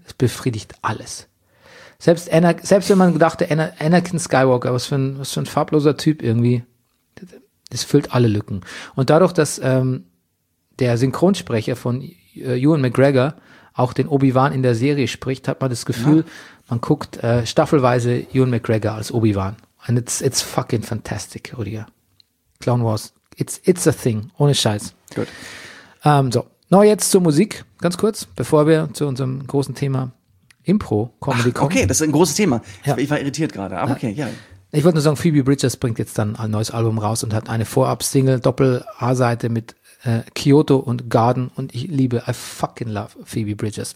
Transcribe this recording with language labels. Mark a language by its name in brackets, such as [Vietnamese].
[German] Es befriedigt alles. Selbst wenn man dachte, Anakin Skywalker, was für ein farbloser Typ irgendwie, das füllt alle Lücken. Und dadurch, dass der Synchronsprecher von Ewan McGregor auch den Obi-Wan in der Serie spricht, hat man das Gefühl, man guckt staffelweise Ewan McGregor als Obi-Wan. [English] And it's fucking fantastic, Rudiger. Clone Wars, it's a thing, [German] ohne Scheiß. Gut. So, noch jetzt zur Musik, ganz kurz, bevor wir zu unserem großen Thema Impro-Comedy kommen. Okay, das ist ein großes Thema. Ich war irritiert gerade, aber okay, ja. Ich wollte nur sagen, Phoebe Bridgers bringt jetzt dann ein neues Album raus und hat eine Vorab-Single, Doppel-A-Seite mit Kyoto und Garden und ich liebe, [English] I fucking love [German] Phoebe Bridgers.